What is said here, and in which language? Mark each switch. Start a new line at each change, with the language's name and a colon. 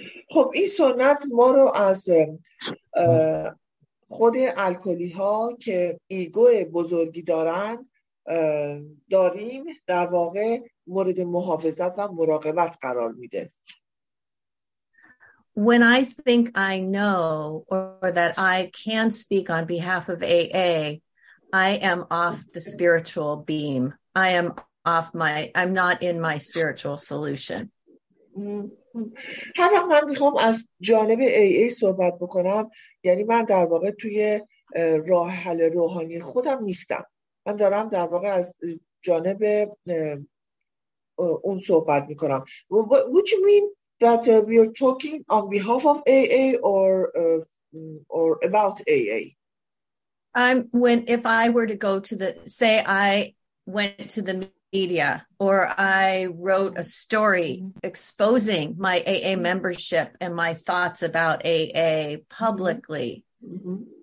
Persian: خب این سنت ما رو از خود الکلی ها که ایگو بزرگی دارن داریم در واقع مورد محافظت و مراقبت قرار میده.
English: When I think I know or that I can speak on behalf of AA, I am off the spiritual beam. I am off my, I'm not in my spiritual solution.
Persian: حالا من میخوام از جانب AA صحبت بکنم، یعنی من در واقع توی راه حل روحانی خودم نیستم، من دارم در واقع از جانب اون صحبت میکنم.
English: Would you mean that you're talking on behalf of AA or about AA? If I were to go to the, say I went to the media or I wrote a story exposing my AA membership and my thoughts about AA publicly. Mm-hmm.